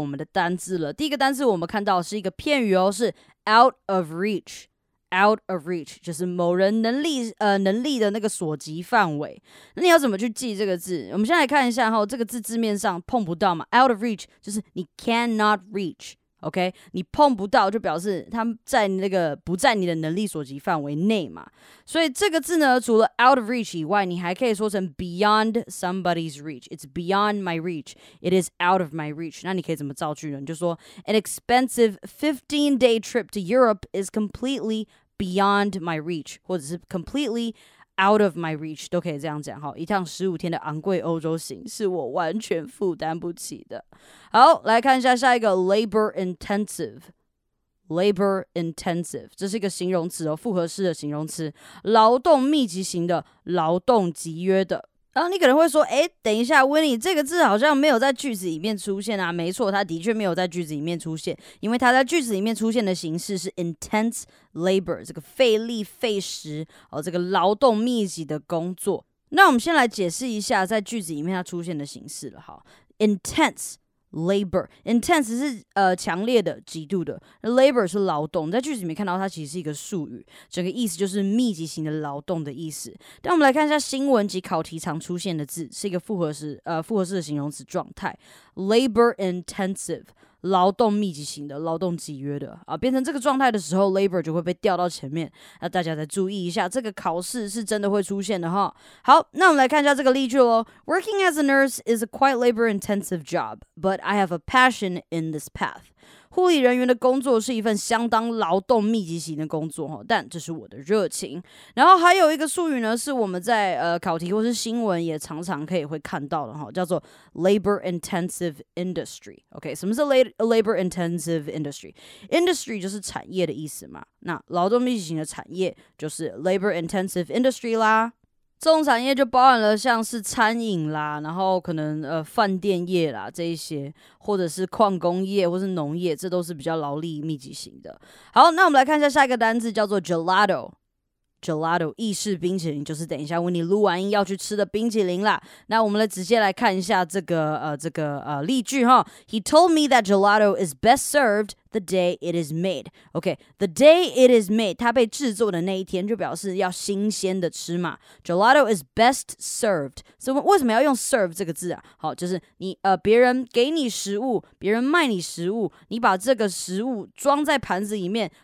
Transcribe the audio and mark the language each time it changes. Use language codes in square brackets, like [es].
[zh] 好，这个字很有趣哦，特别把它拿出来解释。那我们现在就来正式进入我们的单字了。第一个单字我们看到是一个片语哦，是 out of reach， out of reach 就是某人能力的那个所及范围。那你要怎么去记这个字？我们先来看一下哈，这个字字面上碰不到嘛 ，out of reach 就是你 [en] cannot reach， [zh] OK， 你碰不到就表示它在那个不在你的能力所及范围内嘛。所以这个字呢，除了 out of reach 以外，你还可以说成 [en] beyond somebody's reach. It's beyond my reach. It is out of my reach. [zh] 那你可以怎么造句呢？你就说 [en] an expensive 15-day trip to Europe is completely beyond my reach， [zh] 或者是 [en] completely out of my reach， [zh] 都可以这样讲。一趟15天的昂贵欧洲行是我完全负担不起的。好，来看一下下一个 labor intensive。labor intensive， 这是一个形容词哦，复合式的形容词，劳动密集型的，劳动集约的。然后你可能会说，哎，等一下 ，Winnie， 这个字好像没有在句子里面出现啊。没错，它的确没有在句子里面出现，因为它在句子里面出现的形式是 intense labor， 这个费力费时哦，这个劳动密集的工作。那我们先来解释一下在句子里面它出现的形式了哈。 intense labor， intense 是强烈的、极度的 ，labor 是劳动。在句子里面看到它其实是一个术语，整个意思就是密集型的劳动的意思。但我们来看一下新闻及考题常出现的字，是一个复合式的形容词状态 ，labor intensive， 劳动密集型的、劳动集约的啊，变成这个状态的时候 ，labor 就会被调到前面。那大家再注意一下，这个考试是真的会出现的哈。好，那我们来看一下这个例句喽 [en] ，Working as a nurse is a quite labor intensive job。 But I have a passion in this path. [zh] 护理人员的工作是一份相当劳动密集型的工作，但这是我的热情。然后还有一个术语呢，是我们在考题或是新闻也常常可以会看到的，叫做 labor intensive industry. [en] OK， [zh] 什么是 [en] labor intensive industry？ [zh] Industry 就是产业的意思嘛。那劳动密集型的产业就是 labor intensive industry 啦。这种产业就包含了像是餐饮啦，然后可能饭店业啦这一些，或者是矿工业或是农业，这都是比较劳力密集型的。好，那我们来看一下下一个单字叫做 gelato。gelato 意式冰淇淋就是等一下为你录完音要去吃的冰淇淋啦。那我们来直接来看一下这个例句哈。 [en] He told me that gelato is best served the day it is made. [zh] OK, [en] the day it is made， [zh] 它被制作的那一天就表示要新鲜的吃嘛。 [en] Gelato is best served。 [zh] 所以为什么要用 serve 这个字啊？好，就是你别人给你食物，别人卖你食物，你把这个食物装在盘子里面。